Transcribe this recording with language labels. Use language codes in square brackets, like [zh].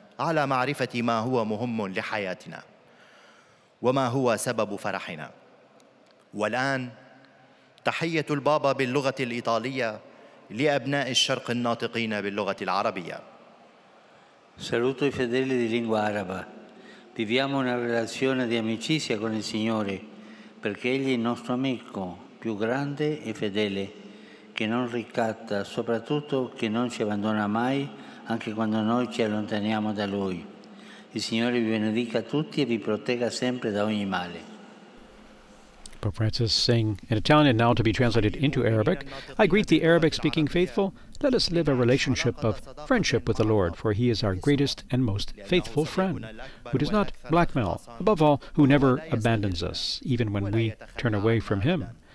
[ar] على معرفة ما هو مهم لحياتنا وما هو سبب فرحنا. والآن تحية البابا باللغة الإيطالية لأبناء الشرق الناطقين باللغة العربية. [it] Saluto i fedeli di lingua araba. Viviamo una relazione di amicizia con il Signore, perché Egli è il nostro amico più grande e fedele, che non ricatta, soprattutto che non ci abbandona mai, anche quando noi ci allontaniamo da Lui. Il Signore vi benedica tutti e vi protegga sempre da ogni male. [en] Pope Francis saying in Italian, now to be translated into Arabic, I greet the Arabic-speaking faithful. Let us live a relationship of friendship with the Lord, for He is our greatest and most faithful friend, who does not blackmail, above all, who never abandons us, even when we turn away from Him.